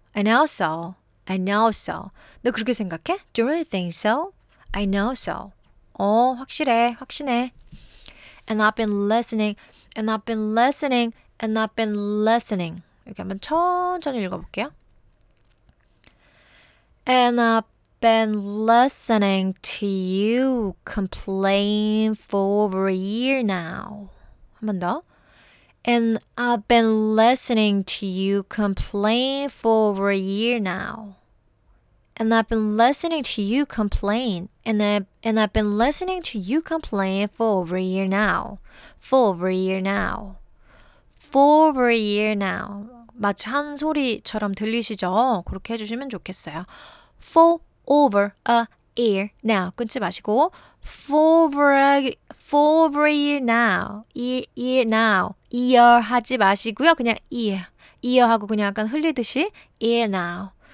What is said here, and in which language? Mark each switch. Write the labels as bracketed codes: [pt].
[ko] 너 그렇게 생각해? [en] Do you really think so? I know so. [ko] 확실해. [en] And I've been listening. [ko] 이렇게 한번 천천히 읽어볼게요. [en] And I've been listening to you complain for over a year now. [ko] 한 번 더. [en] And I've been listening to you complain for over a year now. And I've been listening to you complain. And I've been listening to you complain for over a year now. For over a year now. For over a year now. [ko] 마치 한 소리처럼 들리시죠? 그렇게 해주시면 좋겠어요. [en] For over a year now. [ko] 끊지 마시고. [en] For over a year now. Year now. [ko] Year 하지 마시고요. 그냥 year 하고 그냥 약간 흘리듯이. [en] Year now.